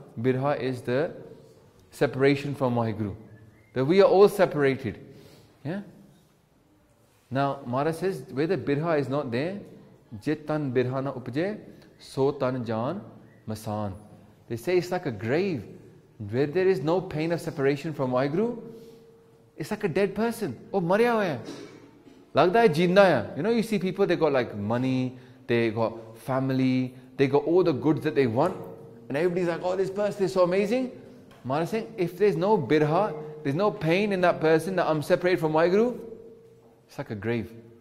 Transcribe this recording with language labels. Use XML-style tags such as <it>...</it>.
<en>Birha is the separation from Vaheguru. That we are all separated. Yeah? Now, Maharaj says, where the birha is not there,</en> <pa>jitan birha na upje, so tan jaan masan.</pa> <en>They say it's like a grave. Where there is no pain of separation from Vaheguru, it's like a dead person.</en> <pa>ਓਹ, ਮਰਿਆ ਹੋਇਆ. ਲਗਦਾ ਹੈ ਜਿੰਦਾ ਹੈ.</pa> <en>You know, you see people, they got like money, they got family, they got all the goods that they want. And everybody's like, oh, this person is so amazing. Maharaj saying, if there's no birha, there's no pain in that person that I'm separated from Vaheguru, it's like a grave.</en>